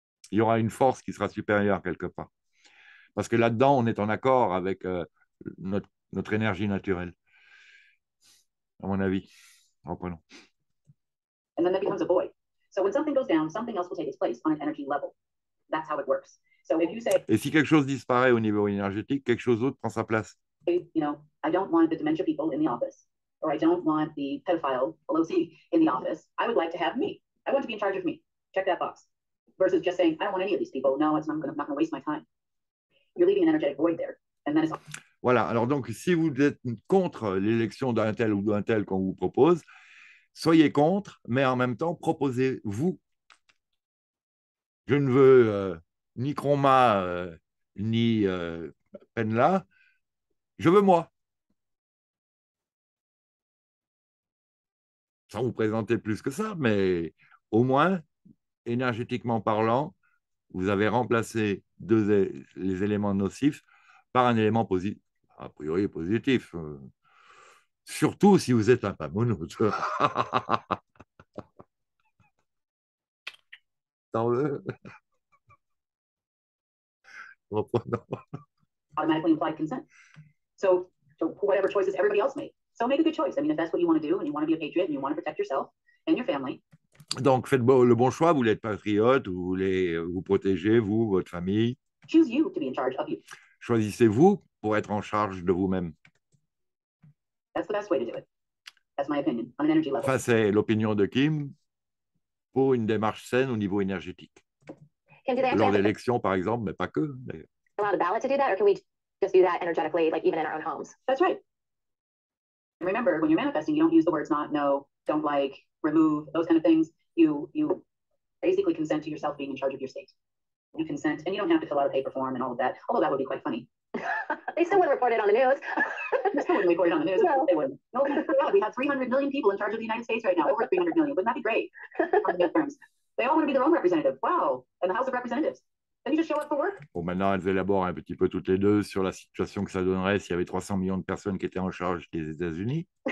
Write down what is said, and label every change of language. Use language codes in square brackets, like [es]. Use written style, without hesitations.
[fr] Il y aura une force qui sera supérieure quelque part. Parce que là-dedans, on est en accord avec notre énergie naturelle, à mon avis. Reprenons. [en] And then that becomes a void. So when something goes down, something else will take its place on an energy level. That's how it works. So if you say... [fr] Et si quelque chose disparaît au niveau énergétique, quelque chose d'autre prend sa place. [en] You know, I don't want the dementia people in the office. Or I don't want the pedophile, Pelosi, in the office. I would like to have me. I want to be in charge of me. Check that box. Versus just saying, I don't want any of these people. No, it's, I'm not going to waste my time. You're leaving an energetic void there, and then it's all. [fr] Voilà, alors donc, si vous êtes contre l'élection d'un tel ou d'un tel qu'on vous propose, soyez contre, mais en même temps, proposez-vous. Je ne veux ni Kroma, ni Penla, je veux moi. Sans vous présenter plus que ça, mais au moins, énergétiquement parlant, vous avez remplacé les éléments nocifs par un élément positif, a priori positif. Surtout si vous êtes un pamonote. Dans le... [en] Automatically implied consent. So whatever choices everybody else made. So make a good choice. I mean, if that's what you want to do and you want to be a patriot and you want to protect yourself and your family. [fr] Donc, faites le bon choix. Vous voulez être patriote, vous voulez vous protéger, vous, votre famille. [en] Choose you to be in charge of you. [fr] Choisissez-vous pour être en charge de vous-même. [en] That's the best way to do it. That's my opinion, on an energy level. [fr] Enfin, c'est l'opinion de Kim pour une démarche saine au niveau énergétique. Lors d'élections, par exemple, mais pas que. [en] A lot of ballot to do that, or can we just do that energetically, like even in our own homes? That's right. Remember, when you're manifesting, you don't use the words not, no, don't like... remove, those kind of things. you basically consent to yourself being in charge of your state. You consent, and you don't have to fill out a paper form and all of that, although that would be quite funny. They still wouldn't report it on the news. They still wouldn't report it on the news. No. They wouldn't. Oh my God, we have 300 million people in charge of the United States right now, over 300 million. Wouldn't that be great? On the midterms. They all want to be their own representative. Wow. And the House of Representatives. [fr] Bon, maintenant, elles élaborent un petit peu toutes les deux sur la situation que ça donnerait s'il y avait 300 millions de personnes qui étaient en charge des États-Unis.